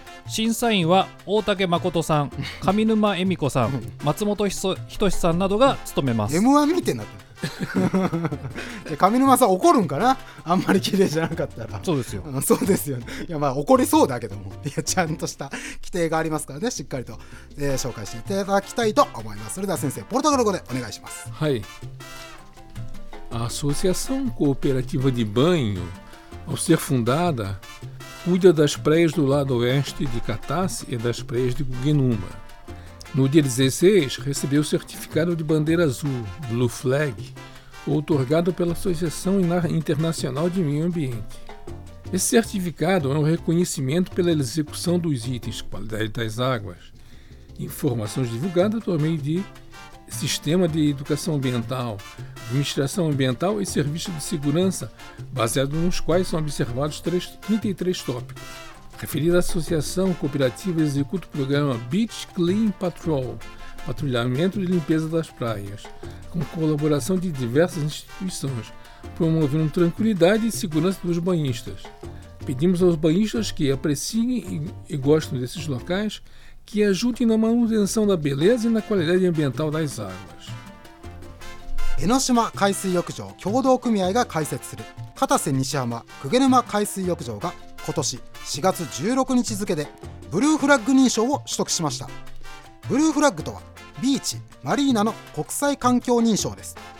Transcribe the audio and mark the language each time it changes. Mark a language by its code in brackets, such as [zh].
[ja] 審査員は大竹誠さん、上沼恵美子さん、松本人志さんなどが務めます。 M1 見てなくて上沼さん怒るんかな、あんまり綺麗じゃなかったら。そうですよ、そうですよ、ね、いやまあ怒りそうだけども、いやちゃんとした規定がありますからね、しっかりと、紹介していただきたいと思います。それでは先生ポルトガル語でお願いします。 [pt] はい、アソシアソンコーペラティバディバンヨ、ao ser fundada, cuida das praias do lado oeste de Catasse e das praias de Guguenuma. No dia 16, recebeu o certificado de bandeira azul, Blue Flag, outorgado pela Associação Internacional de Meio Ambiente. Esse certificado é um reconhecimento pela execução dos itens qualidade das águas, informações divulgadas por meio de Sistema de Educação Ambiental, Administração Ambiental e Serviço de Segurança, baseado nos quais são observados 33 tópicos. Referida à Associação Cooperativa executa o programa Beach Clean Patrol, patrulhamento de limpeza das praias, com colaboração de diversas instituições, promovendo tranquilidade e segurança dos banhistas. Pedimos aos banhistas que apreciem e gostem desses locais, que ajude na manutenção da beleza e na qualidade ambiental das águas. [ja] 江ノ島海水浴場協同組合が開設する片瀬西浜鵠沼海水浴場が今年4月16日付でブルーフラッグ認証を取得しました。ブルーフラッグとはビーチ・マリーナの国際環境認証です。